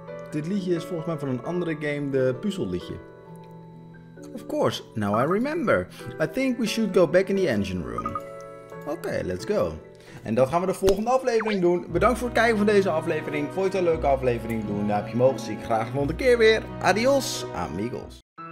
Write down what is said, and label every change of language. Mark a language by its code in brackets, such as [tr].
[nl] Dit liedje is volgens mij van een andere game, de puzzelliedje. [en] Of course, now I remember. I think we should go back in the engine room. Okay, let's go. [nl] En dat gaan we de volgende aflevering doen. Bedankt voor het kijken van deze aflevering. Vond je het een leuke aflevering? Doe een duimpje omhoog. Zie ik graag de volgende keer weer. [es] Adios, amigos.